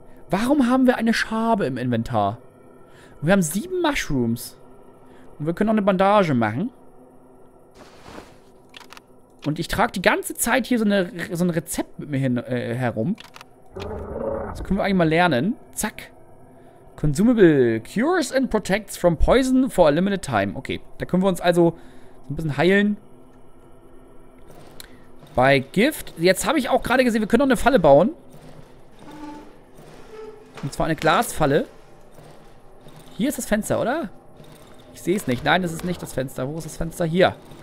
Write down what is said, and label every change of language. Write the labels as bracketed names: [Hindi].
[German] Warum haben wir eine Schabe im Inventar? Wir haben 7 Mushrooms. Und wir können auch eine Bandage machen. Und ich trage die ganze Zeit hier so ein Rezept mit mir herum. Das können wir eigentlich mal lernen. Zack. [English] Consumable cures and protects from poison for a limited time. [German] Okay, da können wir uns also ein bisschen heilen. Bei Gift. Jetzt habe ich auch gerade gesehen, wir können noch eine Falle bauen. Und zwar eine Glasfalle. Hier ist das Fenster, oder? Ich sehe es nicht. Nein, das ist nicht das Fenster. Wo ist das Fenster? Hier.